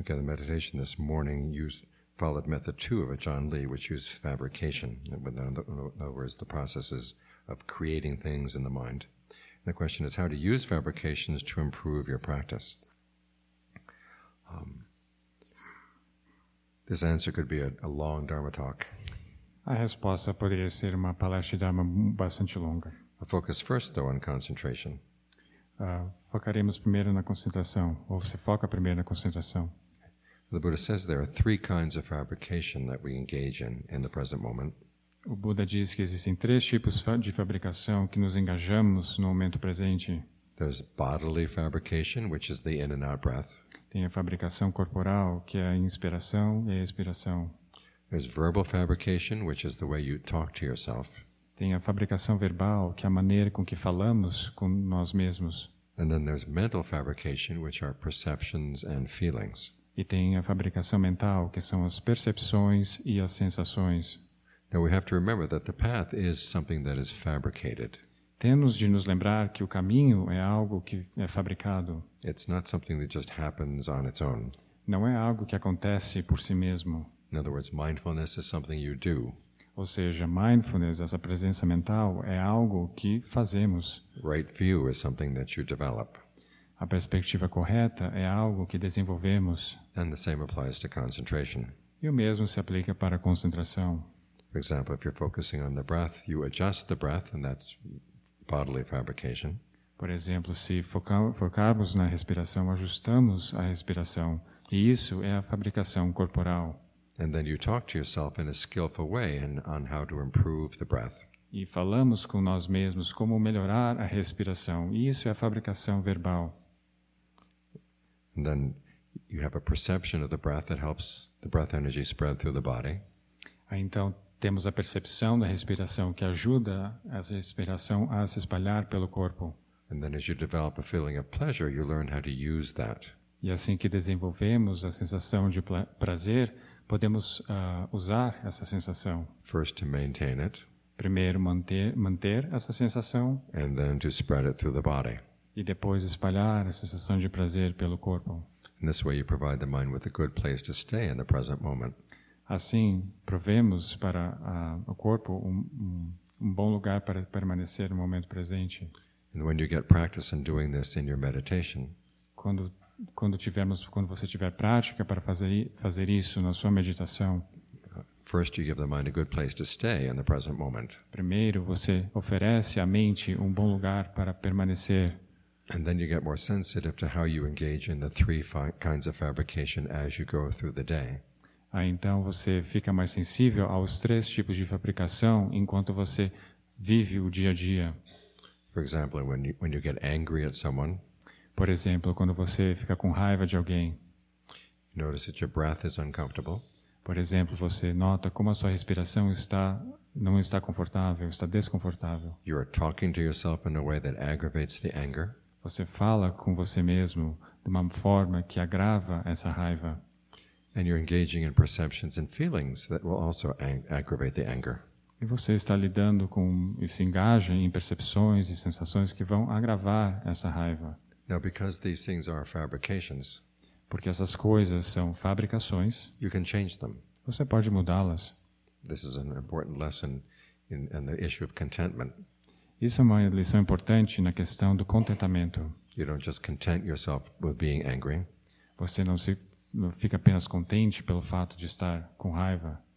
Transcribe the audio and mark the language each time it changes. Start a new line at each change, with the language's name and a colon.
English: Okay, the meditation this morning used followed method two of Ajahn Lee, which used fabrication. In other words, the processes of creating things in the mind. And the question is how to use fabrications to improve your practice. This answer could be a long Dharma talk.
Portuguese: A resposta poderia ser uma palestra de Dharma bastante longa.
English: I focus first, though, on concentration.
Portuguese: Focaremos primeiro na concentração, ou você foca primeiro na concentração.
English: The Buddha says there are three kinds of fabrication that we engage in the present moment.
Portuguese: O Buda diz que existem três tipos de fabricação que nos engajamos no momento presente.
English: There's bodily fabrication, which is the in and out breath.
Portuguese: Tem a fabricação corporal, que é a inspiração e a expiração.
English: There's verbal fabrication, which is the way you talk to yourself.
Portuguese: Tem a fabricação verbal, que é a maneira com que falamos com nós mesmos.
English: And then there's mental fabrication, which are perceptions and feelings.
Portuguese: E tem a fabricação mental, que são as percepções e as sensações.
English: Now we have to remember that the path is something that is fabricated.
Portuguese: Temos de nos lembrar que o caminho é algo que é fabricado.
English: It's not something that just happens on its own.
Portuguese: Não é algo que acontece por si mesmo.
English: In other words, mindfulness is something you do.
Portuguese: Ou seja, mindfulness, essa presença mental, é algo que fazemos.
English: Right view is something that you develop.
Portuguese: A perspectiva correta é algo que desenvolvemos.
English: And the same applies to concentration.
Portuguese: E o mesmo se aplica para a concentração.
English: For example, if you're focusing on the breath, you adjust the breath, and that's bodily fabrication.
Portuguese: Por exemplo, se focarmos na respiração, ajustamos a respiração, e isso é a fabricação corporal.
English: And then you talk to yourself in a skillful way and on how to improve the breath.
Portuguese: E falamos com nós mesmos como melhorar a respiração, e isso é a fabricação verbal.
English: And then you have a perception of the breath that helps the breath energy spread through the body.
Portuguese: Aí então temos a percepção da respiração que ajuda essa respiração a se espalhar pelo corpo.
English: And then as you develop a feeling of pleasure, you learn how to use that.
Portuguese: E assim que desenvolvemos a sensação de prazer, podemos usar essa sensação.
English: First to maintain it.
Portuguese: Primeiro manter essa sensação.
English: And then to spread it through the body.
Portuguese: E depois espalhar a sensação de prazer pelo corpo.
English: In this way you provide the mind with a good place to stay in the present moment.
Portuguese: Assim, provemos para o corpo um bom lugar para permanecer no momento presente.
English: And when you get practice in doing this in your meditation.
Portuguese: Quando você tiver prática para fazer isso na sua meditação.
English: First you give the mind a good place to stay in the present moment.
Portuguese: Primeiro você oferece à mente um bom lugar para permanecer.
English: And then you get more sensitive to how you engage in the three kinds of fabrication as you go through the day.
Portuguese: Aí então você fica mais sensível aos três tipos de fabricação enquanto você vive o dia a dia.
English: For example, when you get angry at someone.
Portuguese: Por exemplo, quando você fica com raiva de alguém.
English: Notice that your breath is uncomfortable.
Portuguese: Por exemplo, você nota como a sua respiração não está confortável, está desconfortável.
English: You are talking to yourself in a way that aggravates the anger.
Portuguese: Você fala com você mesmo de uma forma que agrava essa raiva.
English: And you're engaging in perceptions and feelings that will also aggravate the anger.
Portuguese: E você está lidando com e se engaja em percepções e sensações que vão agravar essa raiva.
English: Now, because these things are fabrications,
Portuguese: porque essas coisas são fabricações,
English: you can change them.
Portuguese: Você pode mudá-las.
English: This is an important lesson in the issue of contentment.
Portuguese: Isso é uma lição importante na questão do contentamento.
English: You don't just content yourself with being angry.
Portuguese: Você não fica apenas contente pelo fato de estar com raiva.